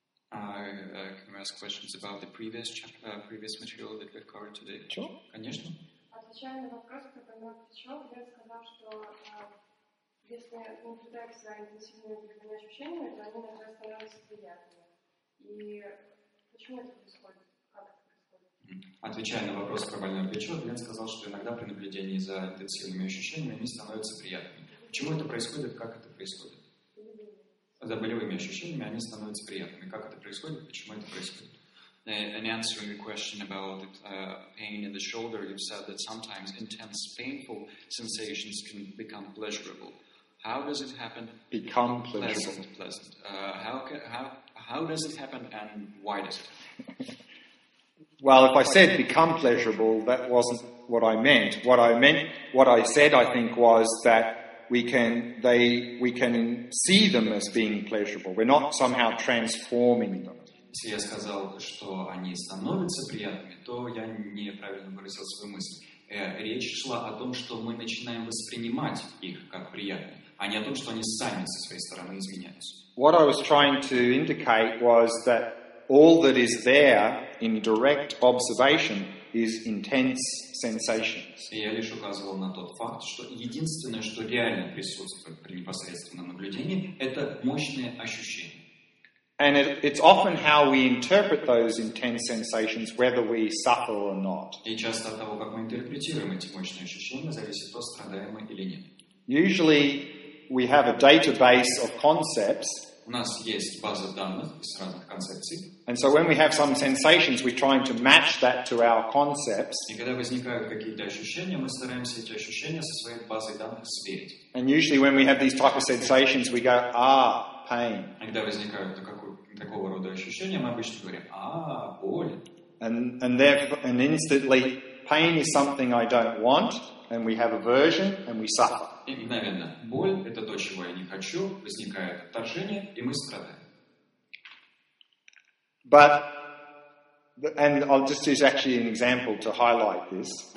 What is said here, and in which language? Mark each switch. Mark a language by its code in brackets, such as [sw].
[en] Can we ask questions about the previous chapter, previous material that we've covered today? Sure. [ru] Конечно. Отвечая на вопрос, который я отвечал, я сказал, что если наблюдать за интенсивными внутренними ощущениями, то они иногда становятся приятными. И почему это происходит? Отвечая на вопрос про больное плечо, Глен сказал, что иногда при наблюдении за интенсивными ощущениями они становятся приятными. Почему это происходит? Как это происходит? За болевыми ощущениями они становятся приятными. Как это происходит? Почему это происходит? [en] In answering the question about pain in the shoulder, you've said that sometimes intense painful sensations can become pleasurable. How does it happen? Become pleasurable. Pleasant. How does it happen and why does it happen? Well, if I said become pleasurable, that wasn't what I meant. What I meant, what I said, I think, was that we can see them as being pleasurable. We're not somehow transforming them. [ru] Если я сказал, что они становятся приятными, то я неправильно выразил свою мысль. Речь шла о том, что мы начинаем воспринимать их как приятные, а не о том, что они сами со своей стороны изменяются. [en] What I was trying to indicate was that all that is there in direct observation is intense sensations. [ru] Я лишь указывал на тот факт, что единственное, что реально присутствует при непосредственном наблюдении, это мощные ощущения. [en] And it's often how we interpret those intense sensations, whether we suffer or not. [ru] И часто от того, как мы интерпретируем эти мощные ощущения, зависит то, страдаем мы или нет. [en] Usually we have a database of concepts. [ru] У нас есть база данных из разных концепций. [en] And so when we have some sensations, we're trying to match that to our concepts. [ru] И когда возникают какие-то ощущения, мы стараемся эти ощущения со своей базой данных сверить. [en] And usually when we have these type of sensations, we go, ah, pain. [ru] И когда возникают такого рода ощущения, мы обычно говорим, ah, боль. [en] And instantly, pain is something I don't want, and we have aversion, and we suffer. [ru] И мгновенно, боль – это то, чего я не хочу, возникает отторжение, и мы страдаем. [en] But, and I'll just use actually an example to highlight this.